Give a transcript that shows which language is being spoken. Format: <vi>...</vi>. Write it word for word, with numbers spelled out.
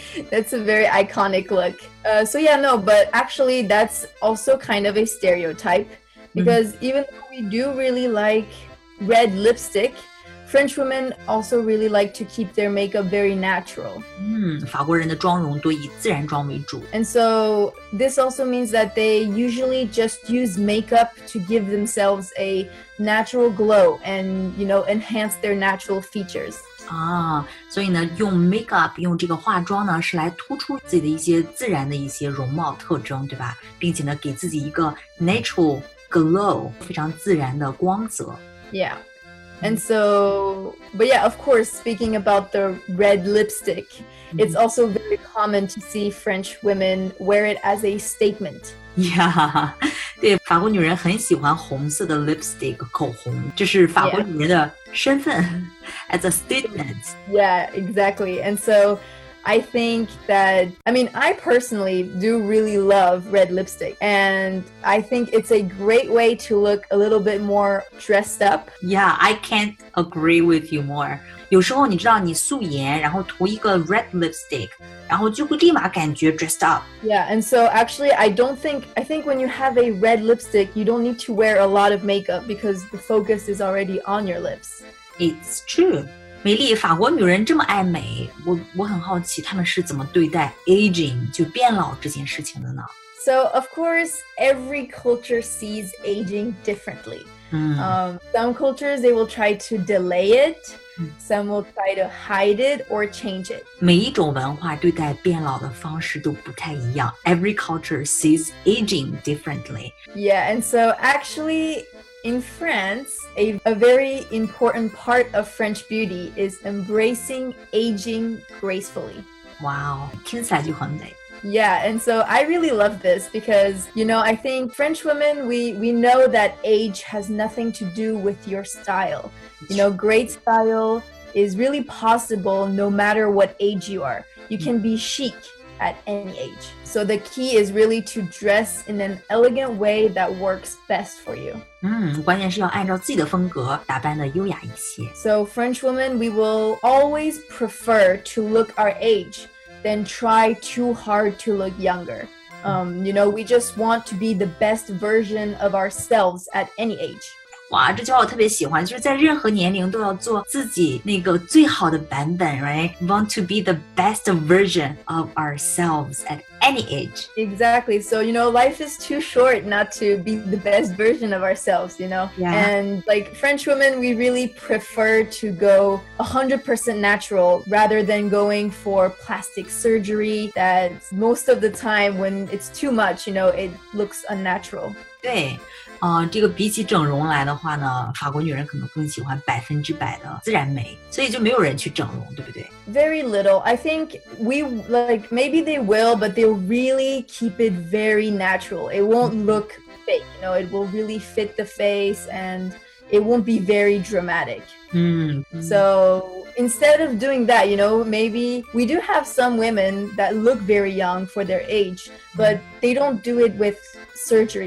<en>That's a very iconic look. Uh, so yeah, no, but actually that's also kind of a stereotype because mm-hmm. even though we do really like red lipstick, French women also really like to keep their makeup very natural.</en> <zh>嗯，法国人的妆容多以自然妆为主。</zh> <en>And so this also means that they usually just use makeup to give themselves a natural glow and, you know, enhance their natural features.</en> <zh>啊，所以呢，用 makeup 用这个化妆呢，是来突出自己的一些自然的一些容貌特征，对吧？并且呢，给自己一个</zh> <en>natural glow</en> <zh>非常自然的光泽。</zh> <en>Yeah, and so, but yeah, of course, speaking about the red lipstick, it's also very common to see French women wear it as a statement.</en> <zh>Yeah, 对，法国女人很喜欢红色的 lipstick 口红，这是法国女人的身份</zh> <en>as a statement. Yeah, exactly. And so I think that, I mean, I personally do really love red lipstick. And I think it's a great way to look a little bit more dressed up. Yeah, I can't agree with you more.</en> <zh>有时候你知道你素颜然后涂一个</zh> <en>red lipstick</en> <zh>然后就会立马感觉</zh> <en>dressed up. Yeah, and so actually I don't think, I think when you have a red lipstick you don't need to wear a lot of makeup because the focus is already on your lips. It's true.</en> <zh>美丽，法国女人这么爱美，我我很好奇她们是怎么对待 aging 就变老这件事情的呢？</zh> <en>So, of course, every culture sees aging differently.、嗯 um, some cultures, they will try to delay it. Some will try to hide it or change it.</en> <zh>每一种文化对待变老的方式都不太一样。</zh> <en>Every culture sees aging differently. Yeah, and so actually in France, a, a very important part of French beauty is embracing aging gracefully.</en> <zh>Wow, 听起来就很美。</zh> <en>Yeah, and so I really love this because, you know, I think French women, we, we know that age has nothing to do with your style. You know, great style is really possible no matter what age you are. You can be chic at any age. So the key is really to dress in an elegant way that works best for you.</en> <zh>嗯，关键是要按照自己的风格打扮的优雅一些。</zh> <en>So French women, we will always prefer to look our age. Then try too hard to look younger. Um, you know, we just want to be the best version of ourselves at any age.</en> <zh>哇，这句话我特别喜欢，就是在任何年龄都要做自己那个最好的版本 ，right?</zh> <en>Want to be the best version of ourselves at any age. Exactly. So, you know, life is too short not to be the best version of ourselves, you know? Yeah. And like French women, we really prefer to go one hundred percent natural rather than going for plastic surgery that most of the time when it's too much, you know, it looks unnatural.</en> <zh>对，呃，这个比起整容来的话呢，法国女人可能更喜欢百分之百的自然美，所以就没有人去整容，对不对？</zh> <en>Very little. I think we like maybe they will, but they'll really keep it very natural. It won't look fake, you know. It will really fit the face, and it won't be very dramatic. 嗯， So. Instead of doing that, you know, maybe we do have some women that look very young for their age, but they don't do it with surgery.</en>